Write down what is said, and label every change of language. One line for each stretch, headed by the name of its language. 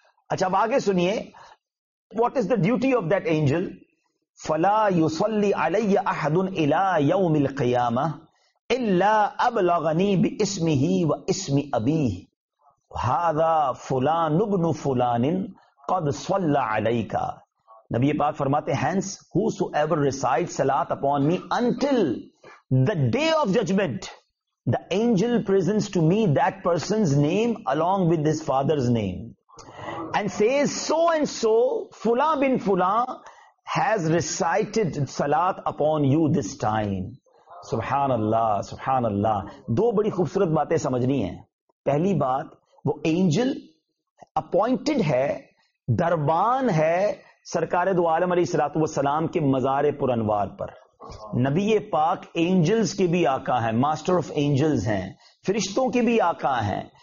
Urdu: اچھا اب آگے سنیے,
English: what is the duty of that angel,
Arabic: فلا يصلي علي احد الى يوم القيامه الا ابلغني باسمه واسم ابيه هذا فلان ابن فلان قد صلى عليك.
Urdu: نبی پاک فرماتے ہیں
English: hence whosoever recites salat upon me until the day of judgment the angel presents to me that person's name along with his father's name and says so and so fulan bin fulan has recited salat upon you this time.
Arabic: Subhanallah, subhanallah.
Urdu: دو بڑی خوبصورت باتیں سمجھنی ہیں. پہلی بات, وہ angel appointed ہے, دربان ہے سرکار دو عالم علیہ الصلوۃ والسلام کے مزار پر انوار پر. نبی پاک اینجلز کے بھی آقا ہیں, ماسٹر آف اینجلز ہیں, فرشتوں کے بھی آقا ہیں.